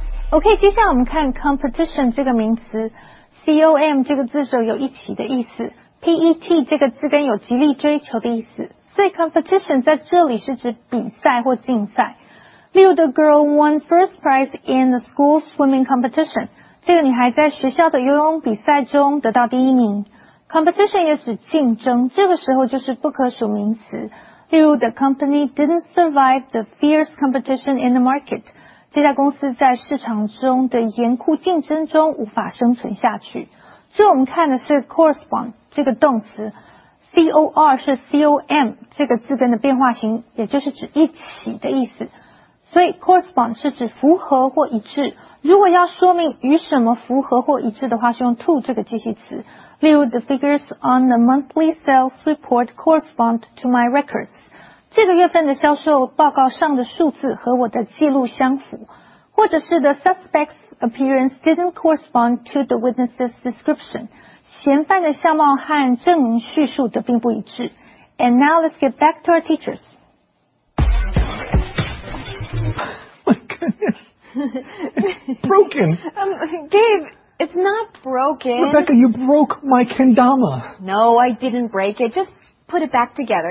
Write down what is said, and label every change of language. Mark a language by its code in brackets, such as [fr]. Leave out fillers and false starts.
[zh] OK, 接下来我们看 competition 这个名词 ,com 这个字首有一起的意思 ,pet 这个字根有极力追求的意思。所以 competition 在这里是指比赛或竞赛。例如 [en] the girl won first prize in the school swimming competition, [zh] 这个女孩在学校的游泳比赛中得到第一名。 competition 也指竞争，这个时候就是不可数名词。例如 [en] the company didn't survive the fierce competition in the market, [zh] 这家公司在市场中的严酷竞争中无法生存下去。最后我们看的是 correspond 这个动词 ,cor 是 com 这个字根的变化型，也就是指一起的意思。所以 correspond 是指符合或一致。如果要说明与什么符合或一致的话，是用 to 这个介系词。例如 [en] ,the figures on the monthly sales report correspond to my records. [zh] 这个月份的销售报告上的数字和我的记录相符，或者是 [en] the suspect's appearance didn't correspond to the witness's description. [zh] 嫌犯的相貌和证人叙述的并不一致。 [en] And now let's get back to our teachers. My goodness. It's broken. Gabe, it's not broken. Rebecca, you broke my kendama. No, I didn't break it. Just put it back together.